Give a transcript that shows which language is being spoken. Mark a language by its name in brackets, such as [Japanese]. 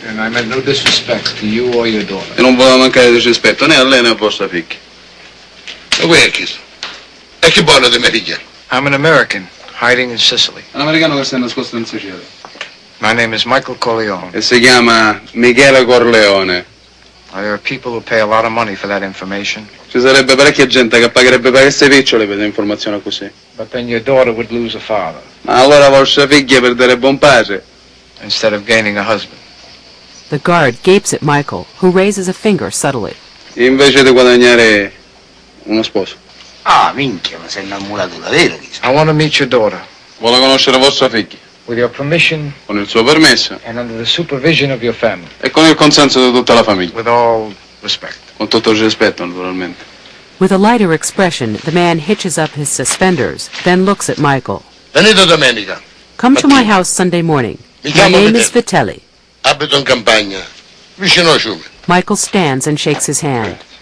[English] And I meant no disrespect to you or your daughter. [Italian] E non voglio mancare di rispetto né a lei né a vostra figlia. E voi a chi sono? E chi parla di Meriglia? [English] I'm an American, hiding in Sicily. [Italian] Un americano che si è nascosto in Sicilia. [English] My name is Michael Corleone. [Italian] E si chiama Michele Corleone. [English] Are there people who pay a lot of money for that information? [Italian] Ci sarebbe parecchia gente che pagherebbe parecchie picciole per un'informazione così. [English] But then your daughter would lose a father. [Italian] Ma allora vostra figlia perderebbe un padre. [English] Instead of gaining a husband. The guard gapes at Michael, who raises a finger subtly. [Italian] Invece di guadagnare uno sposo. Ah, minchia, ma sei innamorato davvero, chissà. [English] I want to meet your daughter. [Italian] Vuole conoscere vostra figlia. [English] With your permission. [Italian] Con il suo permesso. [English] And under the supervision of your family. [Italian] E con il consenso di tutta la famiglia. [English] With all respect. [Italian] Con tutto il rispetto, naturalmente. [English] With a lighter expression, the man hitches up his suspenders, then looks at Michael. [Italian] Venite domenica. [English] Come to my house Sunday morning. My name is Vitelli. [Italian] Abito in campagna, vicino a Ciume. [English] Michael stands and shakes his hand.